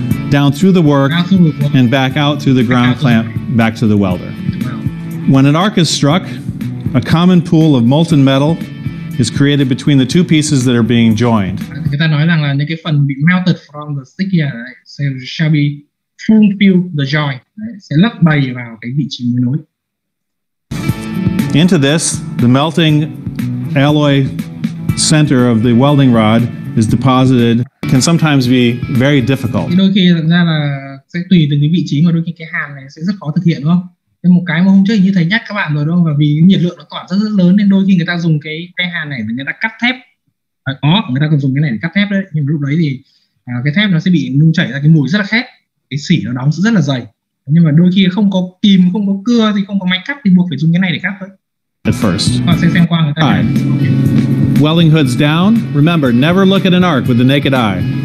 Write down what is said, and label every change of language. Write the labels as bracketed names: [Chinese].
[English] Down through the work and back out through the ground clamp back to the welder. When an arc is struck, a common pool of molten metal is created between the two pieces that are being joined. [Vietnamese] Người ta nói rằng là những cái phần bị [English] melted from the stick here shall be fulfilled the joint. [Vietnamese] Sẽ lấp đầy vào cái vị trí mới nối. [English] Into this, the melting alloy center of the welding rod is deposited. Can sometimes be very difficult. [Vietnamese] Đôi khi thật ra là sẽ tùy từng cái vị trí mà đôi khi cái hàn này sẽ rất khó thực hiện đúng không? Thế một cái mà hôm trước như thầy nhắc các bạn rồi đúng không? Và vì nhiệt lượng nó tỏa rất rất lớn nên đôi khi người ta dùng cái hàn này để người ta cắt thép. À, có, người ta còn dùng cái này để cắt thép đấy. Nhưng mà lúc đấy thì cái thép nó sẽ bị nung chảy ra cái mùi rất là khét. Cái xỉ nó đóng rất là dày. Nhưng mà đôi khi không có kìm, không có cưa thì không có máy cắt thì buộc phải dùng cái này để cắt thôi. [English] At first. [Vietnamese] Các bạn sẽ xem qua người ta. [English] Okay. Welding hood's down. Remember, never look at an arc with the naked eye.